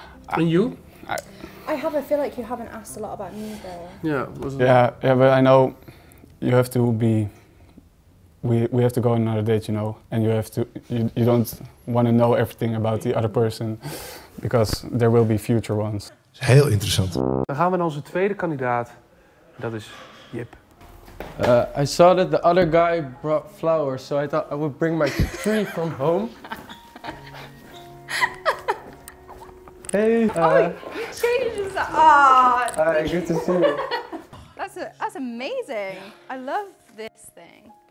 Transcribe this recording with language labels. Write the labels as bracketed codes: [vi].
[en] And you? I have. I feel like you haven't asked a lot about me, though. Yeah, but I know you have to be... We have to go on another date, you know? And you have to... You don't want to know everything about the other person. Because there will be future ones. [nl] Heel interessant. Dan gaan we naar onze tweede kandidaat. Dat is Jip. [en] I saw that the other guy brought flowers, so I thought I would bring my tree from home. Hey. Oh, you changed. Ah. Hi, good to see you. That's amazing. I love this thing.